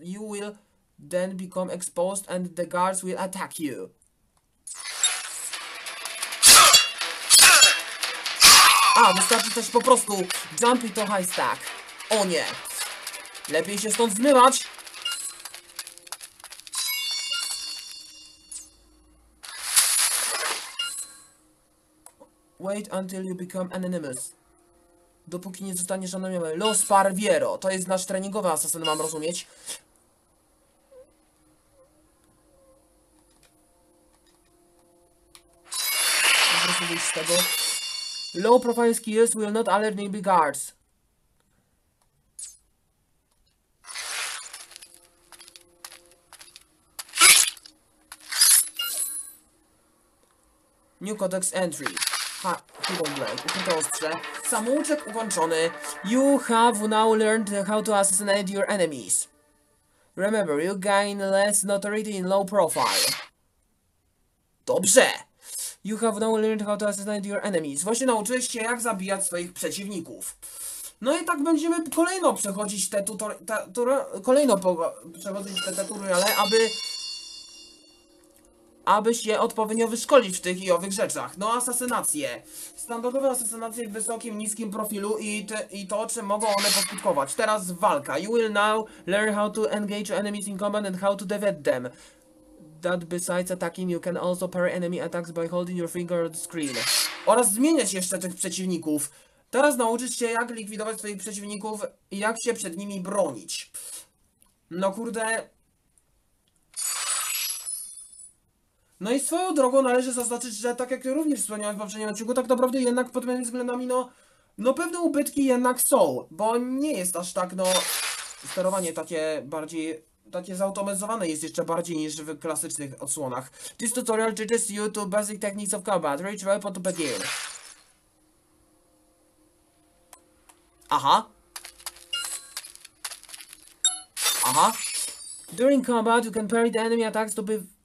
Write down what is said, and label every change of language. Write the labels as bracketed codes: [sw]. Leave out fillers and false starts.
[en] You will then become exposed and the guards will attack you. [pl] A, wystarczy też po prostu [en] jump into high stack. [pl] O nie. Lepiej się stąd zmywać. [en] Wait until you become anonymous. [pl] Dopóki nie zostaniesz anonimowy. Los Parviero. To jest nasz treningowy asasyn, mam rozumieć. Po prostu wyjść z tego. [en] Low profile skills will not alert nearby guards. New Codex Entry. Ha, Hidden Blade, [pl] ukryte ostrze. Samouczek ukończony. [en] You have now learned how to assassinate your enemies. Remember, you gain less notoriety in low profile. Dobrze! You have now learned how to assassinate your enemies. [pl] Właśnie nauczyłeś się, jak zabijać swoich przeciwników. No i tak będziemy kolejno przechodzić te tutoriale. Kolejno przechodzić te tutoriale, aby. Aby się odpowiednio wyszkolić w tych i owych rzeczach. No, asasynacje. Standardowe asasynacje w wysokim, niskim profilu i to, czym mogą one poskutkować. Teraz walka. [en] You will now learn how to engage enemies in combat and how to defeat them. That besides attacking, you can also parry enemy attacks by holding your finger on the screen. [pl] Oraz zmieniać jeszcze tych przeciwników. Teraz nauczysz się, jak likwidować swoich przeciwników i jak się przed nimi bronić. No kurde. No i swoją drogą należy zaznaczyć, że tak jak również wspomniałem w poprzednim odcinku, tak naprawdę jednak pod pewnymi względami, no pewne ubytki jednak są, bo nie jest aż tak, no sterowanie takie zautomatyzowane jest jeszcze bardziej niż w klasycznych odsłonach. [en] This tutorial teaches you to basic techniques of combat. Reach weapon to begin. Aha. Aha. During combat you can parry the enemy attacks to be...